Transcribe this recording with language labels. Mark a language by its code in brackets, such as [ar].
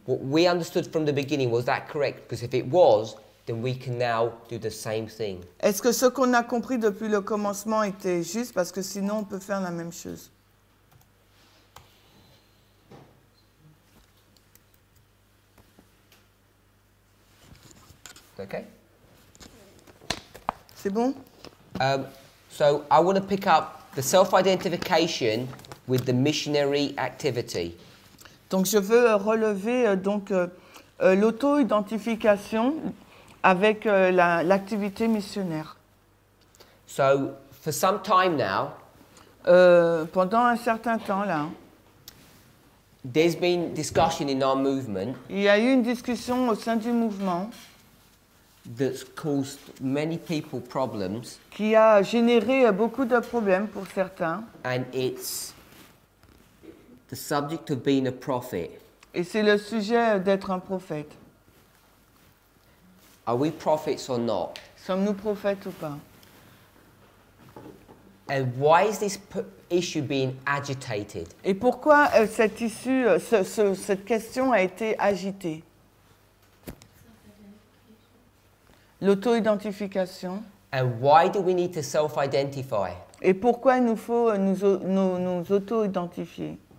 [en] What we understood from the beginning, was that correct? Because if it was, then we can now do the same thing. [fr] Est-ce que ce qu'on a compris depuis le commencement était juste? Parce que sinon on peut faire la même chose. [en] Okay. [fr] C'est bon? [en] So I want to pick up the self-identification with the missionary activity. [fr] Donc je veux relever l'auto-identification avec l'activité missionnaire. [en] So for some time now, [fr] pendant un certain temps là, [en] there's been discussion in our movement. [fr] Il y a eu une discussion au sein du mouvement. [en] That's caused many people problems. [fr] Qui a généré beaucoup de problèmes pour certains. [en] And it's the subject of being a prophet. [fr] Et c'est le sujet d'être un prophète. [en] Are we prophets or not? [fr] Sommes-nous prophètes ou pas? [en] And why is this issue being agitated? [fr] Et pourquoi cette question a été agitée? L'auto-identification. [en] And why do we need to self-identify? [fr] Et pourquoi il nous faut nous auto-identifier?